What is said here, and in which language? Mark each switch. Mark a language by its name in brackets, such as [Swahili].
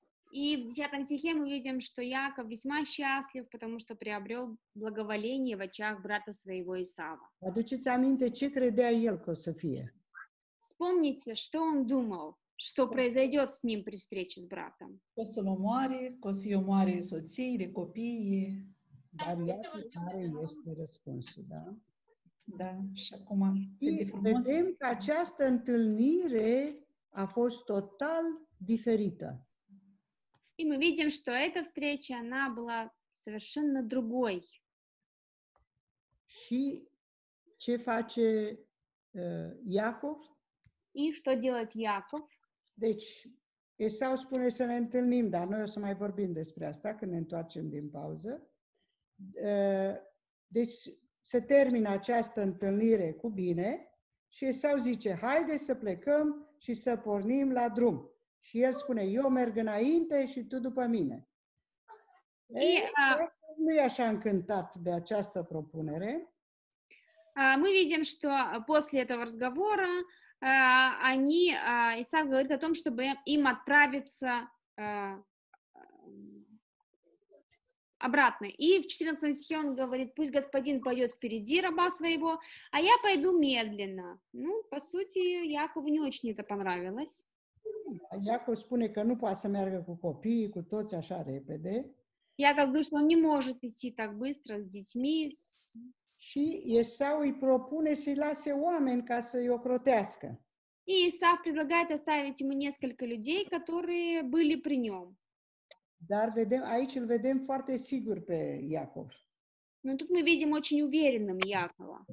[Russian] И в 10 стихе мы видим, что Яков весьма счастлив, потому что приобрел благоволение в очах брата своего Исава. [Romanian] Aduceți aminte ce credea el că o să fie. [Russian] Вспомните, что он думал, что произойдет с ним при встрече с братом. [Romanian] Că să-l omoare, că să-i omoare soțiile, copiii. Dar iată care este răspunsul, da? Da, și acum... Vedem că această întâlnire a fost total diferită. [Russian] И мы видим, что эта встреча, она была совершенно другой. [Romanian] Și ce face Iacov? [Russian] И что делает Яков? [Romanian] Deci, Esau spune să ne întâlnim, dar noi o să mai vorbim despre asta când ne întoarcem din pauză. Deci, se termină această întâlnire cu bine și Esau zice, haide să plecăm și să pornim la drum. Și el spune, eu merg înainte și tu după mine. Nu e așa încântat de această propunere. [Russian] Мы видим, что после этого разговора они, Исаак говорит о том, чтобы им отправиться обратно. И в 14 стихе он говорит, пусть господин пойдет впереди раба своего, а я пойду медленно. Ну, по сути, Якову не очень это понравилось. [Romanian] Iacov spune că nu poate să meargă cu copiii, cu toți așa repede. Iacov spune că nu poate să meargă cu copiii. Și Esau îi propune să-i lase oameni ca să-i ocrotească. [Russian] И Исав предлагает оставить ему несколько людей, которые были при нем. [Romanian] Dar vedem, aici îl vedem foarte sigur pe Iacov. [Russian] Но тут мы видим очень уверенным Якова.